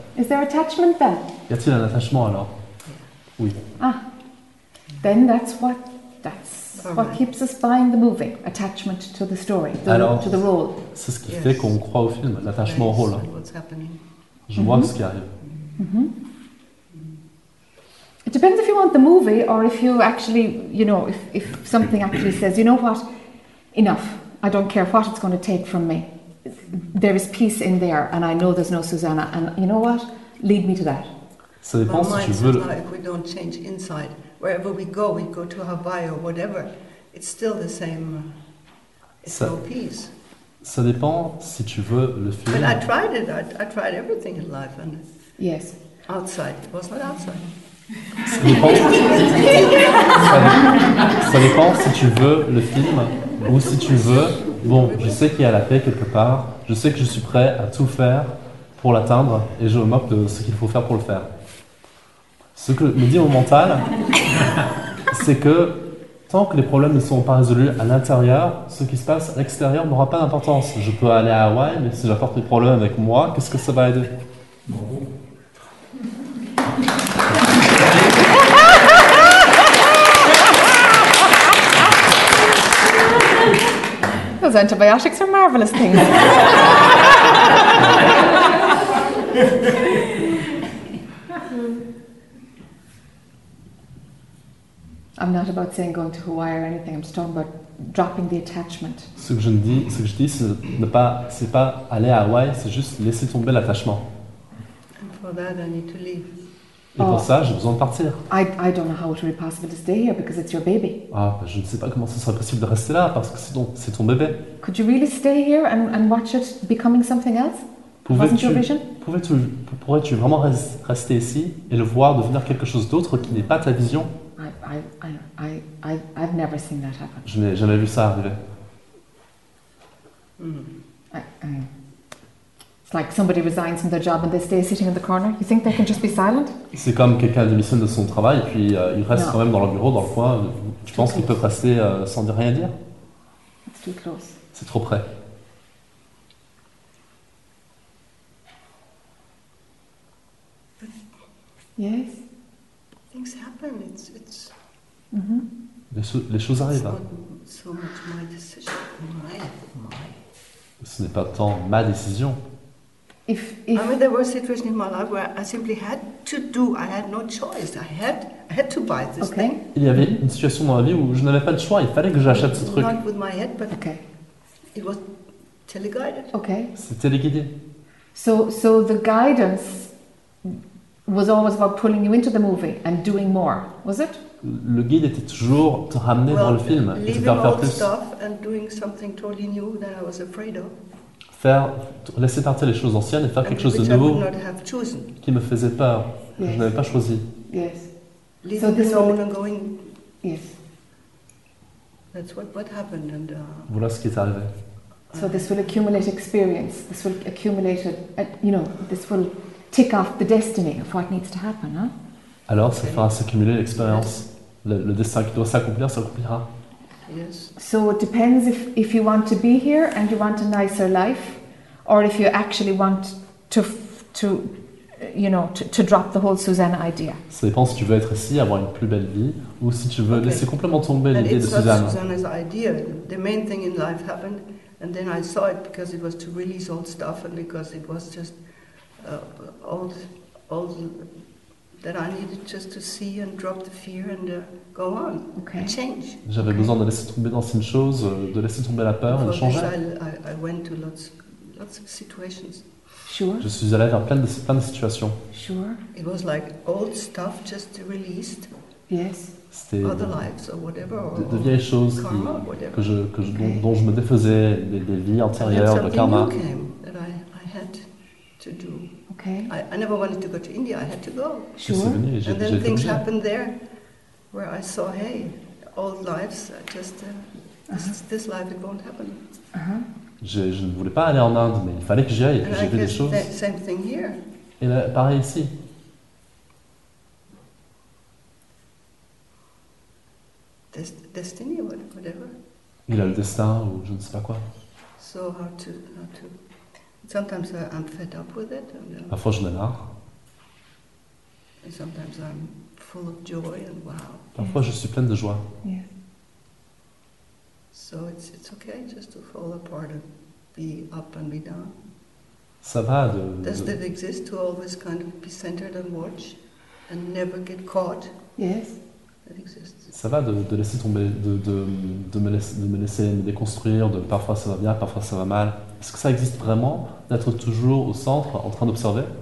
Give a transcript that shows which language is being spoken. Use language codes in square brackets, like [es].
[en] Is there attachment then? [fr] Y a-t-il un attachement alors? Oui. [en] Ah, then that's what that's. What keeps us buying the movie? Attachment to the story, to the role. [fr] C'est ce qui fait qu'on croit au film, l'attachement au rôle. [en] What's happening. [fr] Je vois ce qui arrive. Mm-hmm. [en] It depends if you want the movie or if you actually, you know, if something actually says, you know what, enough. I don't care what it's going to take from me. There is peace in there and I know there's no Susanna. And you know what? Lead me to that. [fr] Ça dépend si tu veux. [en] If we don't change inside. Wherever we go to Hawaii or whatever, it's still the same, it's no peace. [fr] Ça dépend si tu veux le film. [en] But I tried it, I tried everything in life. And yes. Outside, it was not outside. [fr] Ça dépend, ça dépend si tu veux le film ou si tu veux bon, je sais qu'il y a la paix quelque part, je sais que je suis prêt à tout faire pour l'atteindre, et je me moque de ce qu'il faut faire pour le faire. Ce que me dit mon mental, c'est que tant que les problèmes ne sont pas résolus à l'intérieur, ce qui se passe à l'extérieur n'aura pas d'importance. Je peux aller à Hawaï, mais si j'apporte des problèmes avec moi, qu'est-ce que ça va aider? [en] Those antibiotics are marvelous things. I'm not about saying going to Hawaii or anything. I'm just talking about dropping the attachment. [fr] Ce que je dis, c'est pas aller à Hawaii, c'est juste laisser tomber l'attachement. [en] And for that, I need to leave. [fr] Pour ça, j'ai besoin de partir. [en] I don't know how it would be possible to stay here because it's your baby. [fr] Ah, je ne sais pas comment ce serait possible de rester là parce que c'est ton bébé. [en] Could you really stay here and watch it becoming something else? [fr] Pourrais-tu vraiment rester ici et le voir devenir quelque chose d'autre qui n'est pas ta vision? [en] I've never seen that happen. [fr] Je n'ai jamais vu ça arriver. [en] It's like somebody resigns from their job and they stay sitting in the corner. You think they can just be silent? [fr] C'est comme quelqu'un démissionne de son travail et puis il reste quand même dans le bureau, dans le coin. Tu penses qu'ils peuvent rester sans rien dire? [en] It's too close. [fr] C'est trop près. [en] Yes. Things happen. It's. [fr] Mm-hmm. Les choses arrivent. [en] It's not so much my decision. My. [fr] Ce n'est pas tant ma décision. [en] If I mean, there were situations in my life where I simply had to do. I had no choice. I had to buy this thing. [fr] Il y avait une situation dans ma vie où je n'avais pas de choix. Il fallait que j'achète ce truc. [en] Not with my head, but it was teleguided. Okay. [fr] C'est téléguidé. [en] So the guidance was always about pulling you into the movie and doing more, was it? [fr] Le guide était toujours te ramener dans le film et te faire plus. [en] Stuff and doing something totally new that I was afraid of. [fr] Laisser partir les choses anciennes et faire quelque chose de nouveau qui me faisait peur, que je n'avais pas choisi. [en] Yes. Leaving the zone and going. Yes. That's what happened and. [fr] Voilà ce qui est arrivé. [en] So this will accumulate experience. This will accumulate, you know, this will tick off the destiny of what needs to happen, huh? [fr] Alors ça fera s'accumuler l'expérience. Le destin qui doit s'accomplir s'accomplira. [en] Yes. So it depends if you want to be here and you want a nicer life, or if you actually want to drop the whole Susanna idea. [fr] Ça dépend si tu veux être ici, avoir une plus belle vie, ou si tu veux laisser complètement tomber l'idée de Susanna. [en] And it's not Susanna's idea. The main thing in life happened, and then I saw it because it was to release old stuff and because it was just old that I needed just to see and drop the fear and. Go on. Okay. Change. [fr] J'avais besoin de laisser tomber d'anciennes choses, de laisser tomber la peur, de changer. [en] I went to lots of situations. Sure. [fr] Je suis allé vers plein de situations. [en] Sure. It was like old stuff just released. Yes. [fr] C'était [en] other lives or whatever. [fr] De vieilles choses [en] karma, [fr] dont je me défaisais des vies antérieures, le karma. [en] Something new came that I had to do. Okay. I never wanted to go to India. I had to go. Sure. [fr] C'est venu, [en] and then things happened there. Where I saw, hey, old lives are just this life, it won't happen. Uh-huh. [fr] Je ne voulais pas aller en Inde, mais il fallait que j'y aille. [en] And [fr] j'ai vu des choses. [en] Same thing here. [fr] Et là, pareil ici. [en] Destiny, whatever. [fr] Il a le destin ou je ne sais pas quoi. [en] So how to? Sometimes I'm fed up with it. [fr] Parfois j'en ai marre. [en] And sometimes I'm. Full of joy and wow. [fr] Parfois, je suis pleine de joie. [en] Yes. So it's okay just to fall apart and be up and be down. [fr] Ça va de. [en] Does it exist to always kind of be centered and watch and never get caught? Yes. That exists. [fr] Ça va de laisser tomber, de me laisser me déconstruire, de parfois ça va bien, parfois ça va mal. Est-ce que ça existe vraiment d'être toujours au centre, en train d'observer?